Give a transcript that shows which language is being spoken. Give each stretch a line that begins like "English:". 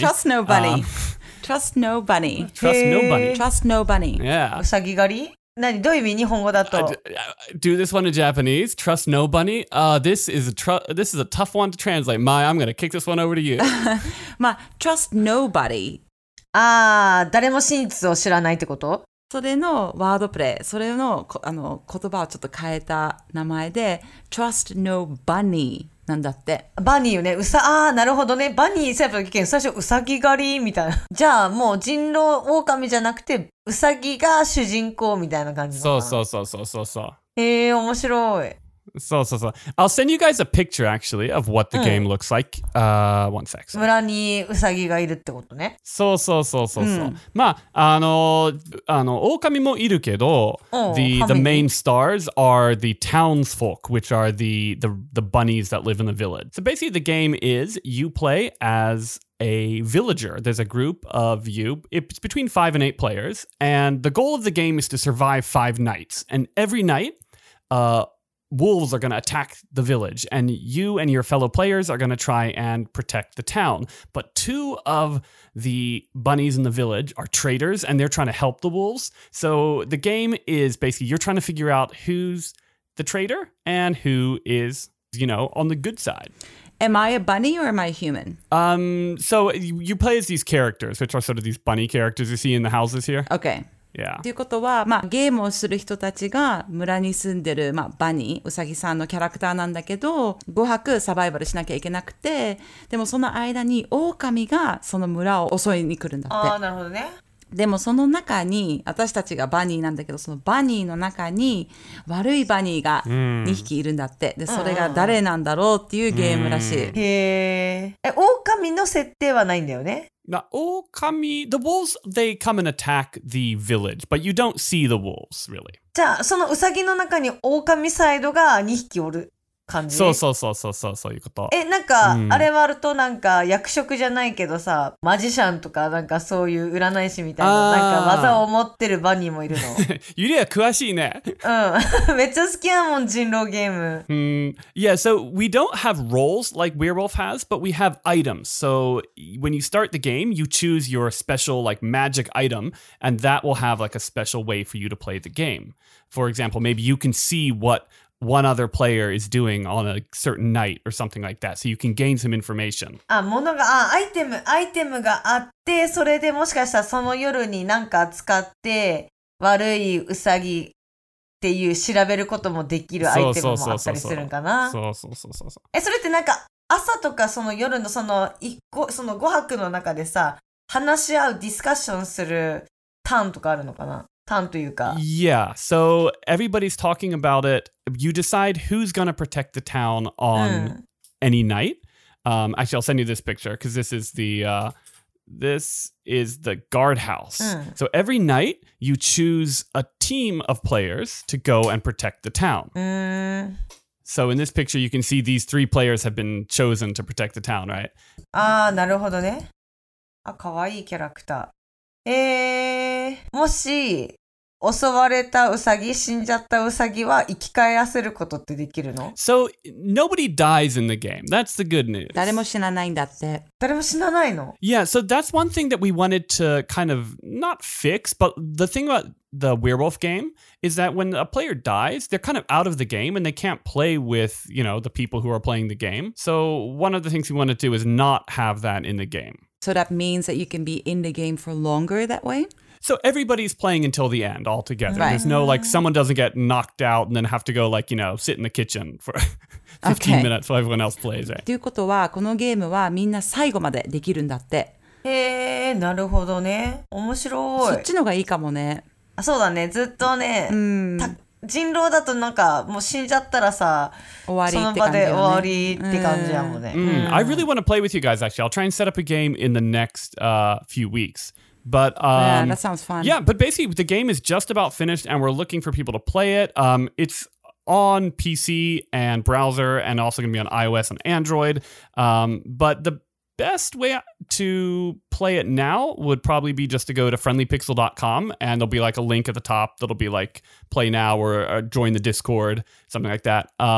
English: Trust No Bunny. Trust No Bunny. Trust No Bunny. Trust No Bunny. Yeah.
Japanese: うさぎ狩り？何？どういう意味？日本語だと。
English: Do this one in Japanese. Trust No Bunny. This is a tough one to translate. Maya, I'm going to kick this one over to you. まあ、Trust Nobody.
Japanese: ああ、誰も真実を知らないってこと？それのワードプレイ、それの、あの、言葉をちょっと変えた名前で、Trust No Bunny なんだって。バニーよね。ああ、なるほどね。バニー、最初、ウサギ狩りみたいな。じゃあ、もう人狼狼じゃなくて、ウサギが主人公みたいな感じそうそうそうそうそうそう。へえー、面白い。そうそうそう。
English: I'll send you guys a picture, actually, of what the game looks like. One sec.
Japanese: 村にウサギがいるってことね。そうそうそうそう。うん、まあ、狼もいるけど、
English: the main stars are the townsfolk, which are the bunnies that live in the village. So basically, the game is you play as a villager. There's a group of you. It's between 5 and 8 players. And the goal of the game is to survive 5 nights. And every night, wolves are going to attack the village, and you and your fellow players are going to try and protect the town. But two of the bunnies in the village are traitors, and they're trying to help the wolves. So the game is basically you're trying to figure out who's the traitor and who is, you know, on the good side. Am I a bunny or am I a human? So you play as these characters, which are sort of these bunny characters you see in the houses here. Okay. Yeah.
Japanese: ということは、まあ、ゲームをする人たちが村に住んでる、まあ、バニー、ウサギさんのキャラクターなんだけど、5泊サバイバルしなきゃいけなくて、でもその間に狼がその村を襲いに来るんだって。ああ、なるほどね。でもその中に、私たちがバニーなんだけど、そのバニーの中に悪いバニーが2匹いるんだって。で、それが誰なんだろうっていうゲームらしい。へえ。狼の設定はないんだよね。
English: Now, Okami, the wolves, they come and attack the village, but you don't see the wolves, really.
Japanese: じゃあ、そのウサギの中にオオカミサイドが2匹おる感じ。そうそうそうそうそう、そういうこと。え、なんか、うん、あれはあるとなんか役職じゃないけどさ、マジシャンとかなんかそういう占い師みたいな、なんか技を持ってるバニーもいるの。ユリア詳しいね。うん。めっちゃ好きやもん、人狼ゲーム。
English: Yeah, so we don't have roles like Werewolf has, but we have items. So when you start the game, you choose your special like magic item, and that will have like a special way for you to play the game. For example, maybe you can see what one other player is doing on a certain night or something like that. So you can gain some information.
Japanese: Ah, ものが、あ、アイテム、アイテムがあって、それでもしかしたらその夜になんか使って悪いウサギっていう調べることもできるアイテムもあったりするんかな。そうそうそうそうそう。え、それってなんか朝とかその夜のその一個、その5泊の中でさ、話し合う、ディスカッションするターンとかあるのかな。
English: Yeah, so everybody's talking about it. You decide who's going to protect the town on any night. Actually, I'll send you this picture because this is the guardhouse. So every night, you choose a team of players to go and protect the town. So in this picture, you can see these three players have been chosen to protect the town, right?
Japanese: Ah, なるほどね。あ、かわいいキャラクター。もし襲われたウサギ、死んじゃったウサギは生き返らせることってできるの？
English: So, nobody dies in the game. That's the good news.
Japanese: 誰も死なないんだって。誰も死なないの？
English: Yeah, so that's one thing that we wanted to kind of not fix, but the thing about the werewolf game is that when a player dies, they're kind of out of the game and they can't play with, you know, the people who are playing the game. So, one of the things we wanted to do is not have that in the game. So that means that you can be in the game for longer that way? So everybody's playing until the end, all together. Right. There's no, like, someone doesn't get knocked out and then have to go, like, you know, sit in the kitchen for 15 okay. minutes while everyone else plays it.
Japanese: ということは、このゲームはみんな最後までできるんだって。へー、なるほどね。面白い。そっちのがいいかもね。あ、そうだね。ずっとね、人狼だとなんかもう死んじゃったらさ、終わりその場で終わりって感じやもんね。
English: I really want to play with you guys, actually. I'll try and set up a game in the next few weeks. But, yeah, that sounds fun. Yeah, but basically the game is just about finished and we're looking for people to play it. It's on PC and browser and also going to be on iOS and Android. But the best way to play it now would probably be just to go to friendlypixel.com and there'll be like a link at the top that'll be like play now or join the Discord, something like that.